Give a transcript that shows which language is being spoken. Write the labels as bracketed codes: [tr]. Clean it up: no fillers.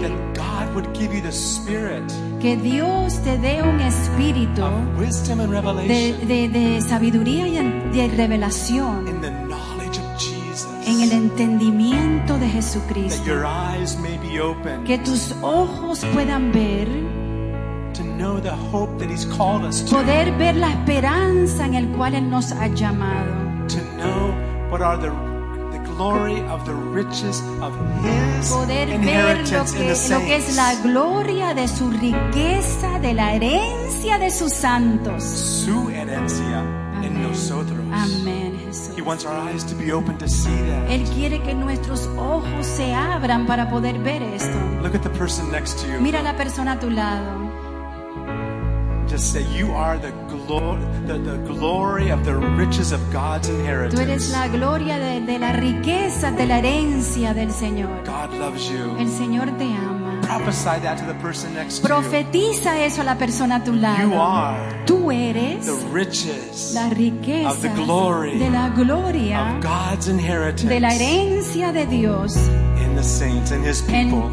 [en] That God would give you the Spirit. [es] Que Dios te dé un espíritu. [en] Of wisdom and revelation. [es] De sabiduría y de revelación. [en] In the knowledge of Jesus. [es] En el entendimiento de Jesucristo. [en] That your eyes may be opened. [es] Que tus ojos puedan ver. [en] To know the hope that He's called us to. [es] Poder ver la esperanza en el cual Él nos ha llamado. [en] To know what are the glory of the riches of His [es] poder ver lo que es la gloria de su riqueza, de la herencia de sus santos. Su herencia. Amén. En nosotros. Amén, Jesús. [en] He wants our eyes to be open to see that. [es] Él quiere que nuestros ojos se abran para poder ver esto. [en] Look at the person next to you. [es] Mira la persona a tu lado. [en] Just say, you are the glory of the riches of God's inheritance. [es] Tú eres la gloria de la riqueza de la herencia del Señor. [en] God loves you. [es] El Señor te ama. [en] Prophesy that to the person next to you. [es] Profetiza eso a la persona a tu lado. [en] You are. [es] Tú eres [en] the riches. [es] La riqueza [en] of the glory [es] de la gloria [en] of God's inheritance. [es] De la herencia de Dios. [en] In the saints and His people.